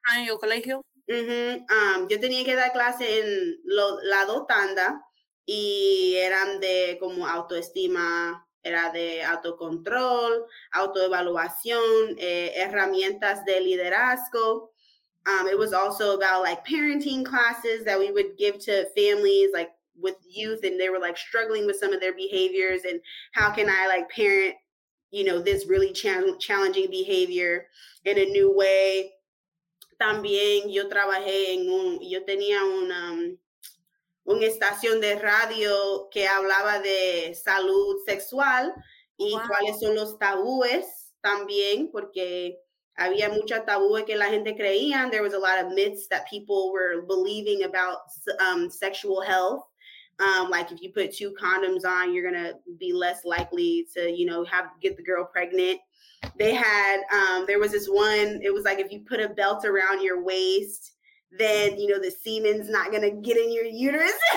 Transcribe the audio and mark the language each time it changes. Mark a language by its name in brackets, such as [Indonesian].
[Spanish] en el colegio. Mm-hmm. Yo tenía que dar clase en la dotanda y eran de como autoestima, era de autocontrol, autoevaluación, herramientas de liderazgo. [English] It was also about like parenting classes that we would give to families like with youth, and they were like struggling with some of their behaviors and how can I like parent, you know, this really challenging behavior in a new way. [Spanish] También yo trabajé tenía un estación de radio que hablaba de salud sexual y wow. Cuáles son los tabúes también, porque había mucha tabúes que la gente creía. [English] There was a lot of myths that people were believing about sexual health. Like if you put 2 condoms on, you're going to be less likely to, you know, get the girl pregnant. They had, there was this one, it was like, if you put a belt around your waist, then, you know, the semen's not going to get in your uterus.